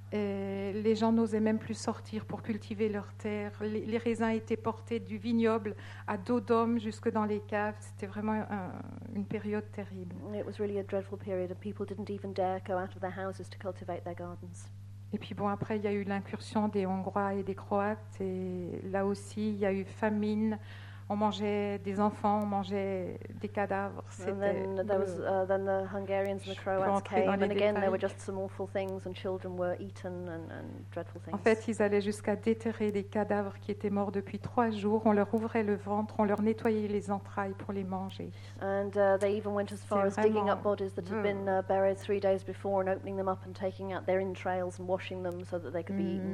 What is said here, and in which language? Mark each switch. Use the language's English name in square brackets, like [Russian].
[French] Les gens n'osaient même plus sortir pour cultiver leurs terres. Les raisins étaient portés du vignoble à dos d'homme jusque dans les caves. C'était vraiment une période terrible. [English] It was really a dreadful period, and people didn't even dare go out of their houses to cultivate their gardens. [French] Et puis bon, après, il y a eu l'incursion des Hongrois et des Croates, et là aussi, il y a eu famine. On mangeait des enfants, on mangeait des cadavres. En fait, ils allaient jusqu'à déterrer des cadavres qui étaient morts depuis 3 jours. On leur ouvrait le ventre, on leur nettoyait les entrailles pour les manger. [English] And they even went as far as digging up bodies that had been buried 3 days before and opening them up and taking out their entrails and washing them so that they could be eaten.